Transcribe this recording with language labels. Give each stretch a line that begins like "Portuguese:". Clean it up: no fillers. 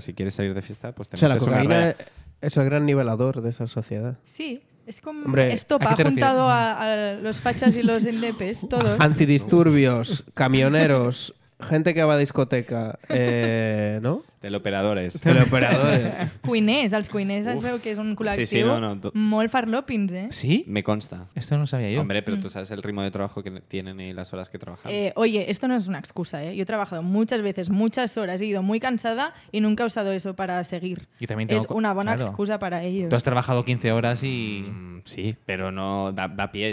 Spanish: Si quieres salir de fiesta, pues te metes una raya. O sea, la cocaína es el gran nivelador de esa sociedad. Sí. Es como hombre, estopa, ha juntado a los fachas y los endepes, todos. Antidisturbios, camioneros, gente que va a discoteca, ¿no? Teleoperadores. Teleoperadores.
Catalan: Cuiners, els cuiners es veu que és un col·lectiu. Sí, sí, no. Molt farlopins, ¿eh? Sí?
Spanish: Me consta. Esto no sabía yo. Hombre, pero tú sabes el ritmo de trabajo que tienen y las horas que trabajan. Oye, esto no es una excusa, ¿eh? Yo he trabajado muchas veces, muchas horas, he ido muy cansada y nunca he usado eso para seguir. Yo también tengo... Es una buena claro. excusa para ellos. Tú has trabajado 15 horas y... Sí, pero no da pie.